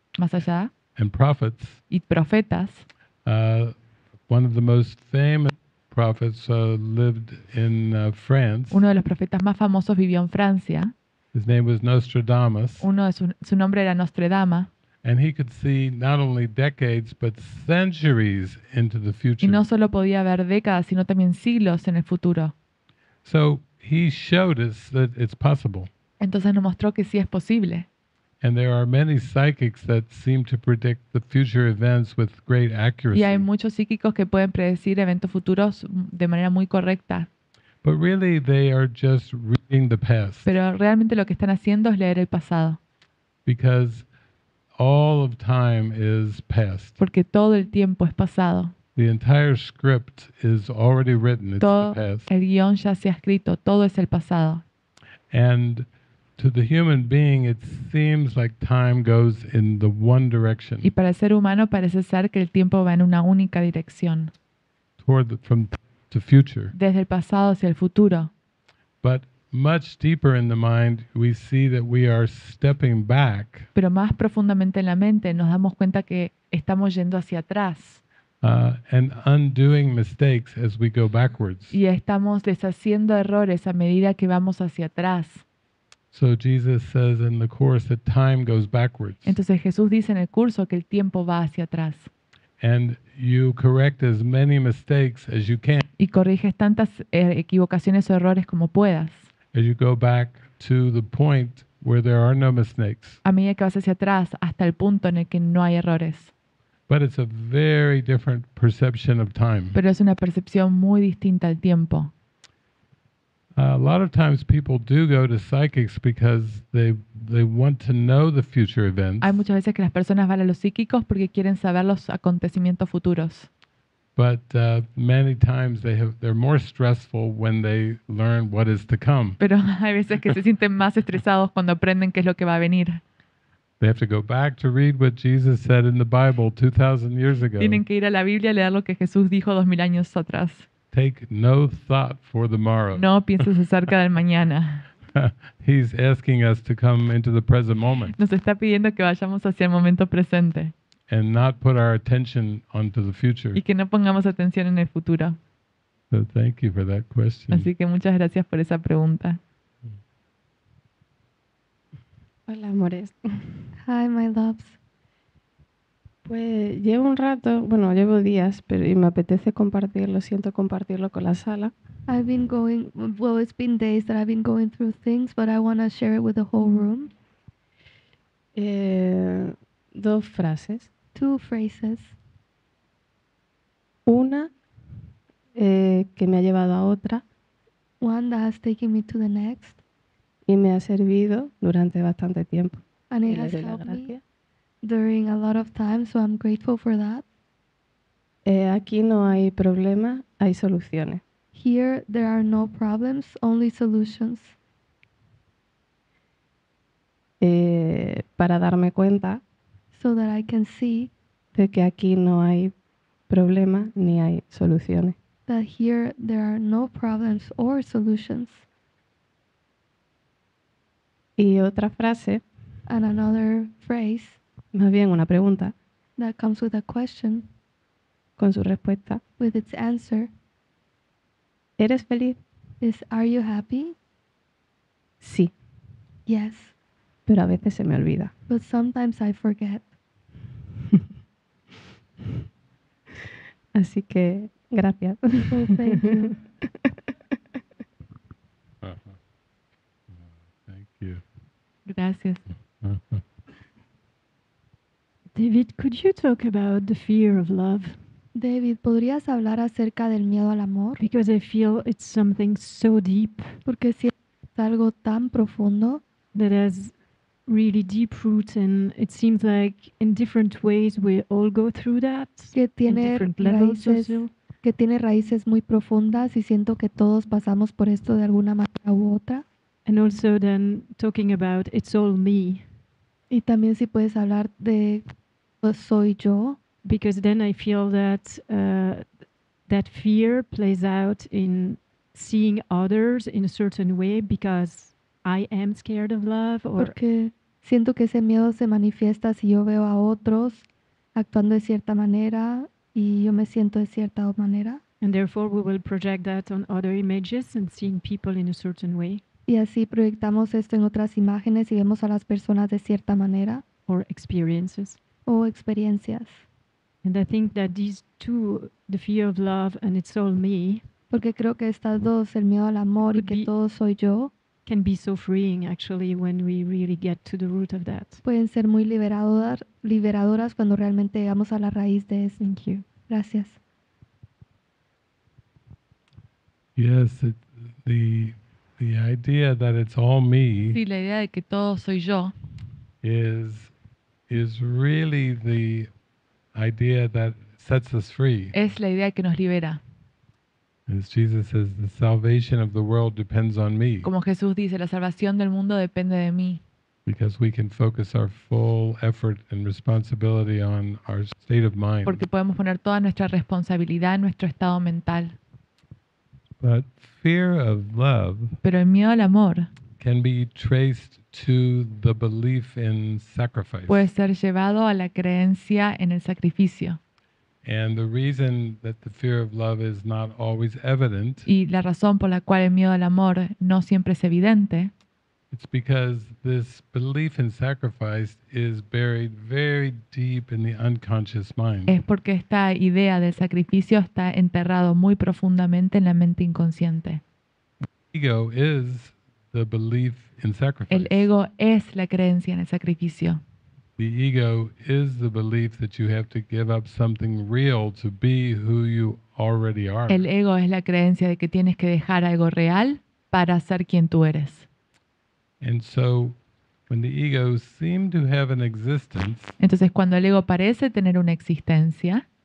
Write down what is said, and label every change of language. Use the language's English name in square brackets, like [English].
[English] And prophets. [Spanish] Y profetas. [English] One of the most famous prophets lived in France. [Spanish] Uno de los profetas más famosos vivió en Francia. [English] His name was Nostradamus. [Spanish] Su nombre era Nostradamus. [English] And he could see not only decades but centuries into the future. [Spanish] Y no solo podía ver décadas, sino también siglos en el futuro. [English] So he showed us that it's possible. [Spanish] Entonces nos mostró que sí es posible. [English] And there are many psychics that seem to predict the future events with great accuracy. [Spanish] Y hay muchos psíquicos que pueden predecir eventos futuros de manera muy correcta. [English] But really they are just reading the past. [Spanish] Pero realmente lo que están haciendo es leer el pasado. [English] Because all of time is past. [Spanish] Porque todo el tiempo es pasado. [English] The entire script is already written. It's [Spanish] todo [English] the past. [Spanish] El guión ya se ha escrito. Todo es el pasado. [English] And to the human being, it seems like time goes in the one direction. [Spanish] Y para el ser humano parece ser que el tiempo va en una única dirección. [English] Toward the, from the future. [Spanish] Desde el pasado hacia el futuro. [English] But much deeper in the mind, we see that we are stepping back. [Spanish] Pero más profundamente en la mente, nos damos cuenta que estamos yendo hacia atrás. [English] And undoing mistakes as we go backwards. [Spanish] Y estamos deshaciendo errores a medida que vamos hacia atrás. [English] So Jesus says in the course that time goes backwards. [Spanish] Entonces Jesús dice en el curso que el tiempo va hacia atrás. [English] And you correct as many mistakes as you can. [Spanish] Y corriges tantas equivocaciones o errores como puedas. [English] As you go back to the point where there are no mistakes. [Spanish] A medida que vas hacia atrás, hasta el punto en el que no hay errores. [English] But it's a very different perception of time. [Spanish] Pero es una percepción muy distinta al tiempo. [English] A lot of times people do go to psychics because they want to know the future events. [Spanish] Hay muchas veces que las personas van a los psíquicos porque quieren saber los acontecimientos futuros. [English] But many times they're more stressful when they learn what is to come. [Spanish] Pero hay veces que se sienten más estresados cuando aprenden qué es lo que va a venir. [English] They have to go back to read what Jesus said in the Bible 2,000 years ago. [Spanish] Tienen que ir a la Biblia a leer lo que Jesús dijo 2,000 años atrás. [English] Take no thought for the morrow. [Spanish] No pienses acerca del mañana. [English] He's asking us to come into the present moment. [Spanish] Nos está pidiendo que vayamos hacia el momento presente. [English] And not put our attention onto the future. [Spanish] Y que no pongamos atención en el futuro. [English] So thank you for that question. [Spanish] Así que muchas gracias por esa pregunta. Hola, amores. [English] Hi, my loves. [Spanish] Pues llevo un rato, bueno, llevo días, pero y me apetece compartirlo, siento compartirlo con la sala. [English] It's been days that I've been going through things, but I want to share it with the whole room. [Spanish] Dos frases. [English] two phrases. [Spanish] Una que me ha llevado a otra. [English] One that has taken me to the next. [Spanish] Y me ha servido durante bastante tiempo. [English] And it has helped me during a lot of time, so I'm grateful for that. [Spanish] Aquí no hay problemas, hay soluciones. [English] Here there are no problems, only solutions. [Spanish] Para darme cuenta, [English] so that I can see, [Spanish] de que aquí no hay problemas ni hay soluciones. [English] That here there are no problems or solutions. [Spanish] Y otra frase, [English] and another phrase, [Spanish] más bien una pregunta, [English] that comes with a question, [Spanish] con su respuesta, [English] with its answer. [Spanish] ¿Eres feliz? [English] Is, are you happy? [Spanish] Sí. [English] Yes. [Spanish] Pero a veces se me olvida. [English] But sometimes I forget. [Spanish] Así que, gracias. [English] Oh, thank you. Thank you. [Spanish] Gracias. [English] David, could you talk about the fear of love? [Spanish] David, ¿podrías hablar acerca del miedo al amor? [English] Because I feel it's something so deep. [Spanish] Porque siento algo tan profundo. [English] That has really deep roots, and it seems like in different ways we all go through that. [Spanish] Que tiene raíces, que tiene raíces muy profundas, y siento que todos pasamos por esto de alguna manera u otra. [English] And also then talking about it's all me. [Spanish] Y también si puedes hablar de soy yo. [English] Because then I feel that that fear plays out in seeing others in a certain way because I am scared of love. Or [Spanish] porque siento que ese miedo se manifiesta si yo veo a otros actuando de cierta manera y yo me siento de cierta manera. [English] And therefore we will project that on other images and seeing people in a certain way. [Spanish] Y así proyectamos esto en otras imágenes y vemos a las personas de cierta manera. [English] Or experiences. [Spanish] O experiencias. [English] And I think that these two, the fear of love and it's all me, [Spanish] porque creo que estas dos, el miedo al amor y que todo soy yo, [English] can be so freeing actually when we really get to the root of that. [Spanish] Pueden ser muy liberadoras cuando realmente llegamos a la raíz de eso. [English] Thank you. [Spanish] Gracias. [English] Yes, the idea that it's all me. [Spanish] Sí, la idea de que todo soy yo. [English] Is really the idea that sets us free. [Spanish] Es la idea que nos libera. [English] As Jesus says, the salvation of the world depends on me. [Spanish] Como Jesús dice, la salvación del mundo depende de mí. [English] Because we can focus our full effort and responsibility on our state of mind. [Spanish] Porque podemos poner toda nuestra responsabilidad en nuestro estado mental. [English] But fear of love. [Spanish] Pero el miedo al amor. [English] Can be traced to the belief in sacrifice. [Spanish] Puede ser llevado a la creencia en el sacrificio. [English] And the reason that the fear of love is not always evident. [Spanish] Y la razón por la cual el miedo al amor no siempre es evidente. [English] It's because this belief in sacrifice is buried very deep in the unconscious mind. [Spanish] Es porque esta idea del sacrificio está enterrado muy profundamente en la mente inconsciente. [English] Ego is the belief in sacrifice. [Spanish] El ego es la creencia en el sacrificio. [English] The ego is the belief that you have to give up something real to be who you already are. [Spanish] El ego es la creencia de que tienes que dejar algo real para ser quien tú eres. [English] And so, when the ego seems to have an existence, [Spanish] entonces cuando el ego parece tener una existencia,